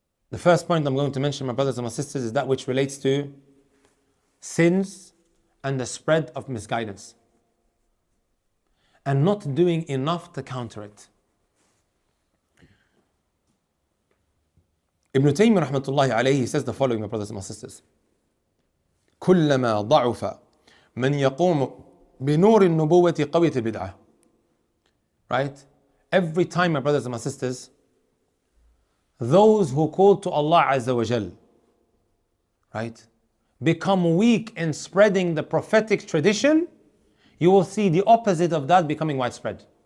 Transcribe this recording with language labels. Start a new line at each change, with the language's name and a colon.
English: The first point I'm going to mention, my brothers and my sisters, is that which relates to sins and the spread of misguidance and not doing enough to counter it. Ibn Taymiyyah rahmatullahi alayhi says the following, my brothers and my sisters.
Arabic: كلما ضعف من يقوم بنور النبوة قوية البدعة.
English: Right? Every time, my brothers and my sisters, those who call to Allah Azza wa Jal, right, become weak in spreading the prophetic tradition, you will see the opposite of that becoming widespread.